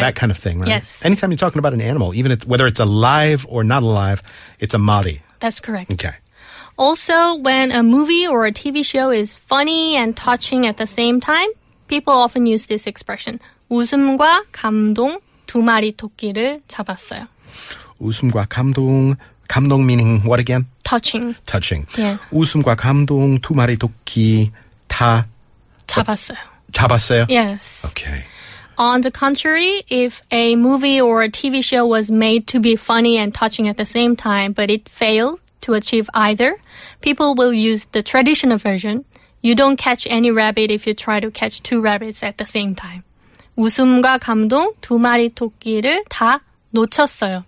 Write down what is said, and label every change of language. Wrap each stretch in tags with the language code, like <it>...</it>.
<en>That kind of thing, right? Yes. Anytime you're talking about an animal, even it's, whether it's alive or not alive, it's a 마리. That's correct. Okay. Also, when a movie or a TV show is funny and touching at the same time, people often use this expression,</en> <ko>웃음과 감동. 두 마리 토끼를 잡았어요. 웃음과 감동. 감동</ko> <en>meaning what again? Touching. Touching. Yeah.</en> <ko>웃음과 감동 두 마리 토끼 다 잡았어요. 잡았어요?</ko> <en>Yes. Okay. On the contrary, if a movie or a TV show was made to be funny and touching at the same time, but it failed to achieve either, people will use the traditional version. You don't catch any rabbit if you try to catch two rabbits at the same time.</en> <ko>웃음과 감동 두 마리 토끼를 다 놓쳤어요.</ko>